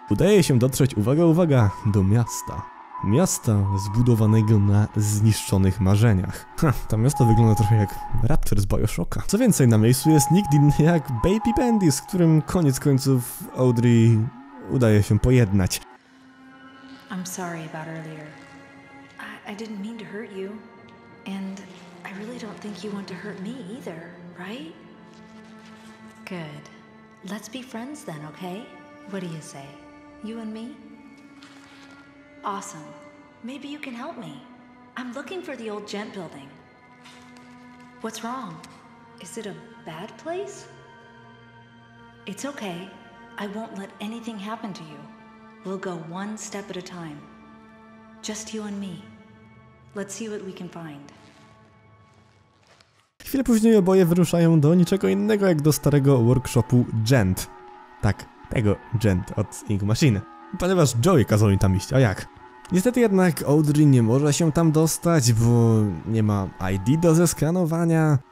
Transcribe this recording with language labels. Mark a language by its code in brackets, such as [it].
[pl] Udaje się dotrzeć, uwaga, uwaga, do miasta. Miasta zbudowanego na zniszczonych marzeniach. Ha, to miasto wygląda trochę jak Rapture z Bioshocka. Co więcej, na miejscu jest nikt inny jak Baby Bendy, z którym koniec końców Audrey udaje się pojednać. [en] I'm sorry about earlier. I didn't mean to hurt you. And I really don't think you want to hurt me either, right? Good. Let's be friends then, okay? What do you say? You and me? Awesome. Maybe you can help me. I'm looking for the old Jant building. What's wrong? Is it a bad place? It's okay. I won't let anything happen to you. We'll go one step at a time. Just you and me. Let's see what we can find. [pl] Chwilę później oboje wyruszają do niczego innego jak do starego workshopu Jant. Tak, tego Jant od Ink Machine. Ponieważ Joey kazał im tam iść, a jak? Niestety jednak Audrey nie może się tam dostać, bo nie ma ID do zeskanowania.